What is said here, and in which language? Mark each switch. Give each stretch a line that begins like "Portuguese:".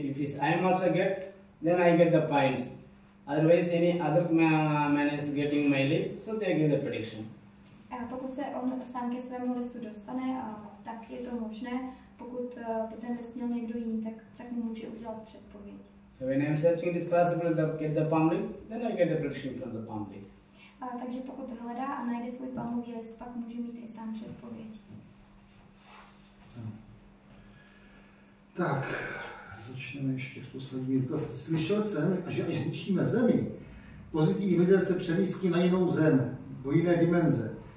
English: If I am also get, then I get the points. Otherwise, any other man is getting my leaf, so they give the prediction.
Czech: Pokud se on sám ke svému listu dostane, tak je to možné. Pokud by ten list měl někdo jiný, tak mu může udělat předpověď. So when I am searching, it is possible to get the palm leaf, then I get the prediction from the palm leaf. Takže pokud hledá a najde svůj palmový list, pak může mít i sám předpověď. Tak, začneme ještě s poslední. Slyšel jsem, že až zničíme Zemi, pozitivní lidé se přemístí na jinou zem, do jiné dimenze.